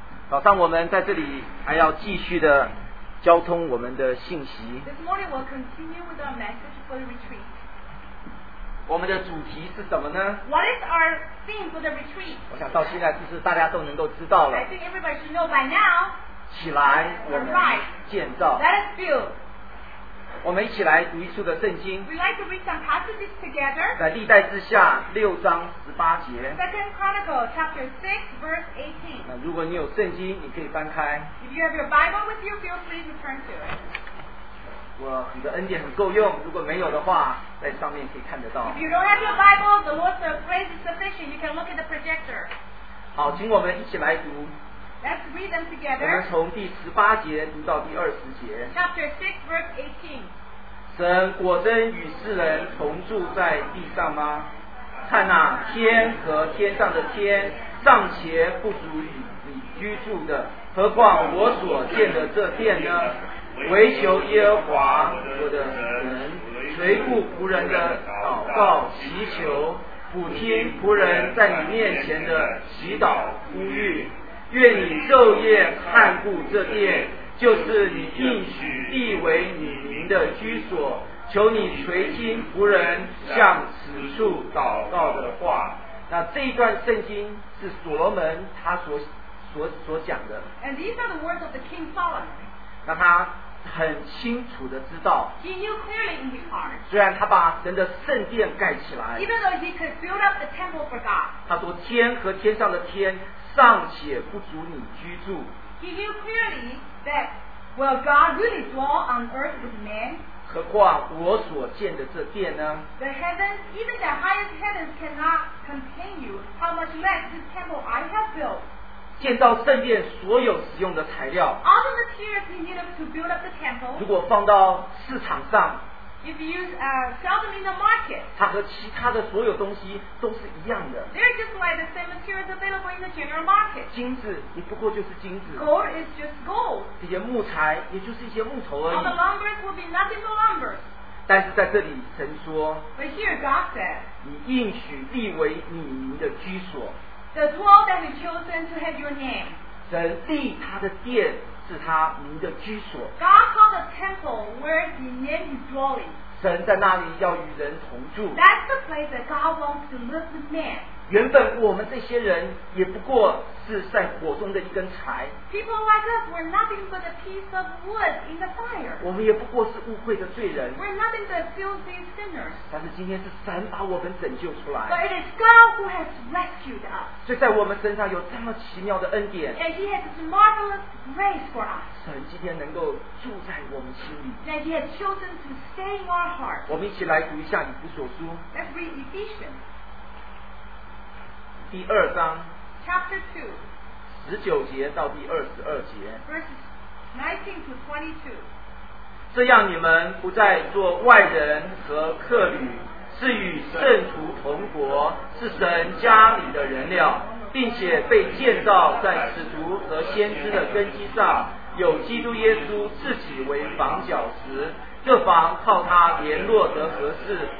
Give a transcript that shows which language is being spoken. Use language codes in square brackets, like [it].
[zh] 早上我们在这里还要继续的交通我们的信息。 [en] This morning we'll continue with our message for the retreat. [zh] 我们的主题是什么呢？ [en] What is our theme for the retreat? [zh] 我想到现在就是大家都能够知道了。 [en] I think everybody should know by now. [zh] 起来，我们建造。 [en] Let us build. [zh] 我们一起来读一处的圣经。 [en] We like to read some passages together. [zh] 在历代志下六章十八节。 [en] Second Chronicles chapter 6 verse 18. [zh] 那如果你有圣经，你可以翻开。 [en] If you have your Bible with you, feel free to turn to it. [zh] 我你的恩典很够用，如果没有的话，在上面可以看得到。 [en] If you don't have your Bible, the Lord's grace is sufficient. You can look at the projector. [zh] 好，请我们一起来读。 [en] Let's read them together. [zh] 我们从第十八节读到第二十节。 [en] Chapter 6, verse 18. [zh] 神果真与世人同住在地上吗？看哪，天和天上的天尚且不足与你居住的，何况我所建的这殿呢？唯求耶和华我的神垂顾仆人的祷告祈求，俯听仆人在你面前的祈祷呼吁。愿你昼夜看顾这殿，就是你应许立为你名的居所，求你垂听仆人向此处祷告的话。那这一段圣经是所罗门他所讲的。 [en] And these are the words of the King Solomon. [zh] 那他很清楚的知道。 [en] He knew clearly in his heart. [zh] 虽然他把神的圣殿盖起来。 [en] Even though he could build up the temple for God. [zh] 他说天和天上的天尚且不足你居住。 [en] He knew clearly that will God really dwell on earth with man? [zh] 何况我所建的这殿呢？ [en] The heavens, even the highest heavens cannot contain you. How much less this temple I have built? [zh] 建造圣殿所有使用的材料。 [en] All the materials we need to build up the temple. [zh] 如果放到市场上。 [en] If you sell them in the market, [zh] 它和其他的所有东西都是一样的。 [en] They're just like the same materials available in the general market. [zh] 金子也不过就是金子。 [en] Gold is just gold. [zh] 这些木材也就是一些木头而已。 [en] All the lumbers will be nothing but lumbers. [zh] 但是在这里，神说。 [en] But here God said, [zh] 你应许立为你名的居所。 [en] The dwell that we chosen to have your name. [zh] 神立他的殿。是他名的居所。 [en] God called the temple where he named his dwelling. [zh] 神在那里要与人同住。 [en] That's the place that God wants to live with man. [zh] 原本我们这些人也不过是在火中的一根柴。 [en] People like us were nothing but a piece of wood in the fire. [zh] 我们也不过是污秽的罪人。 [en] We're nothing but filthy sinners. [zh] 但是今天是神把我们拯救出来。 [en] But it is God who has rescued us. [zh] 所以在我们身上有这么奇妙的恩典。 [en] And he has this marvelous grace for us. [zh] 神今天能够住在我们心里。 [en] That he has chosen to stay in our hearts. [zh] 我们一起来读一下以弗所书。 [en] Let's read Ephesians. [zh] 第二章 [en] Chapter 2 [zh] 十九节到第二十二节 [en] Verses 19 to 22 [zh] 这样你们不再做外人和客旅是与圣徒同国是神家里的人了并且被建造在使徒和先知的根基上有基督耶稣自己为房角石这房靠他联络得合适